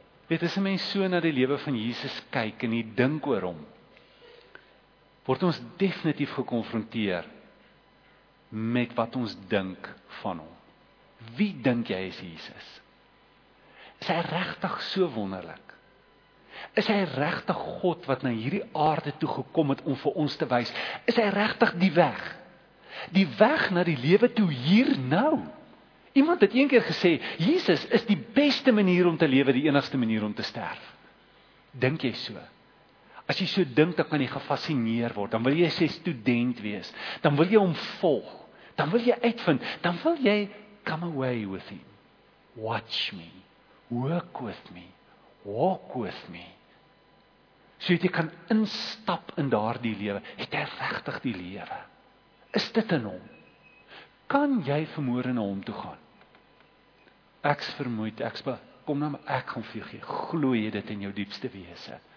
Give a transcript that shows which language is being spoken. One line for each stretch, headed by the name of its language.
Afrikaans: Weet, as 'n mens so na die lewe van Jesus kyk en jy dink oor hom, word ons definitief gekonfronteer met wat ons dink van hom. Wie dink jy is Jesus? Is hy regtig so wonderlik? Is hy regtig God wat na hierdie aarde toe gekom het om vir ons te wys? Is hy regtig die weg? Die weg na die lewe toe hier nou? Iemand het een keer gesê, Jesus is die beste manier om te lewe, die enigste manier om te sterf. Dink jy so? As jy so dink, dan kan jy gefassineer word, dan wil jy sy student wees, dan wil jy hom volg, dan wil jy uitvind, dan wil jy
English: come away with him. Watch me, work with me, walk with me.
Afrikaans: So jy kan instap in daardie lewe, het hy regtig die lewe? Is dit in hom? Kan jy vanmôre na hom toe gaan? Ek's vermoeid, ek's kom na my, ek gaan vir jou glo jy dit in jou diepste wese.